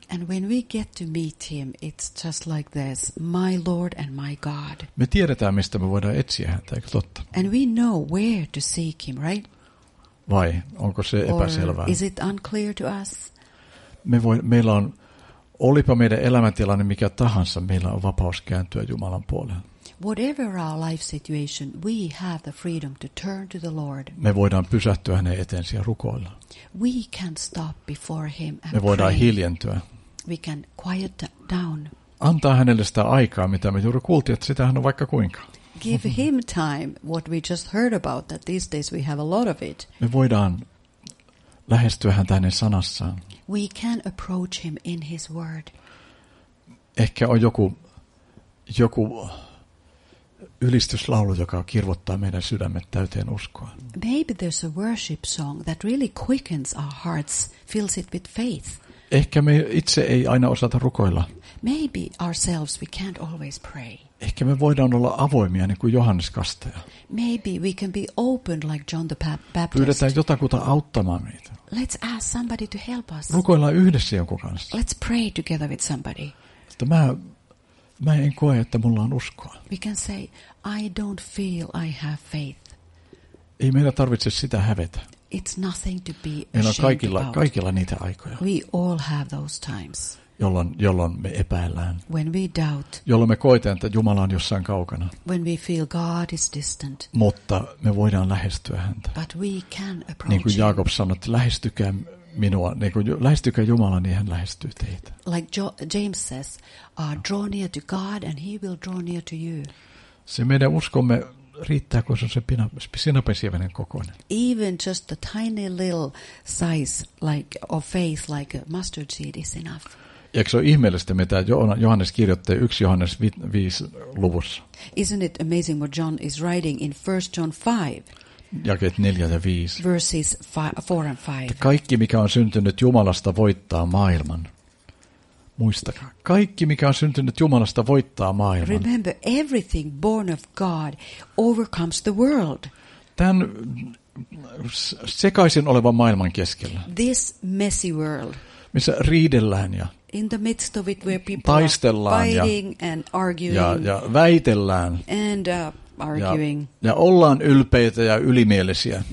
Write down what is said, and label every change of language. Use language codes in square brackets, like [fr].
[en] And when we get to meet him, it's just like this, my Lord and my God. [fi] Me tiedetään, mistä me voidaan etsiä häntä, eikö totta? [en] And we know where to seek him, right? [fi] Vai, onko se epäselvää? [en] Or is it unclear to us? [fi] Meillä on, olipa meidän elämäntilanne mikä tahansa, meillä on vapaus kääntyä Jumalan puoleen. [en] Whatever our life situation, we have the freedom to turn to the Lord. [fi] Me voidaan pysähtyä hänen eteensä ja rukoilla. [en] We can stop before him and [fi] me voidaan [en] pray. [fi] Hiljentyä. [en] We can quiet down. [fi] Antaa hänelle sitä aikaa, mitä me juuri kuultiin, että sitä hän on vaikka kuinka. [en] Give him time, what we just heard about, that these days we have a lot of it. [fi] Me voidaan lähestyä häntä hänen sanassaan. [en] We can approach him in his word. [fi] Ehkä on joku ylistyslaulu, joka kirvoittaa meidän sydämet täyteen uskoa. [en] Maybe there's a worship song that really quickens our hearts, fills it with faith. [fi] Ehkä me itse ei aina osata rukoilla. [en] Maybe ourselves we can't always pray. [fi] Ehkä me voidaan olla avoimia niin kuin Johannes Kastaja. [en] Maybe we can be open like John the Baptist. [fi] Pyydetään jotakuta auttamaan meitä. [en] Let's ask somebody to help us. [fi] Rukoillaan yhdessä jonkun kanssa. [en] Let's pray together with somebody. [fi] Mä en koe, että mulla on uskoa. [en] We can say, I don't feel I have faith. [fi] Ei meidän tarvitse sitä hävetä. [en] It's nothing to be ashamed. [fi] Meillä on kaikilla niitä aikoja. [en] We all have those times. [fi] Jolloin me epäillään. [en] When we doubt. [fi] Jolloin me koetaan, että Jumala on jossain kaukana. [en] When we feel God is distant. [fi] Mutta me voidaan lähestyä häntä. [en] But we can approach. [fi] Niin kuin Jaakob sanoi, että lähestykää minua, niin kuin lähestykää Jumala, niin hän lähestyy teitä. [en] Like James says, draw near to God and he will draw near to you. [fi] Se meidän uskomme riittää, kun se on se sinapensievenen kokoinen. [en] Even just a tiny little size like of faith like a mustard seed is enough. [fi] Ja se on ihmeellistä, mitä Johannes kirjoittaa 1 Johannes 5 luvussa. [en] Isn't it amazing what John is writing in 1 John 5? [fi] Jakeet 4 ja 5. [en] Verses 4 and 5. [fi] Kaikki, mikä on syntynyt Jumalasta, voittaa maailman. Muistakaa. Kaikki, mikä on syntynyt Jumalasta, voittaa maailman. [en] Remember, everything born of God overcomes the world. [fi] Tämän sekaisin olevan maailman keskellä. [en] This messy world. [fi] Missä riidellään ja [en] in the midst of it where people [fi] taistellaan [en] are fighting and arguing. [fi] Ja väitellään. [en] And arguing. [fi] Ja ollaan ylpeitä ja ylimielisiä.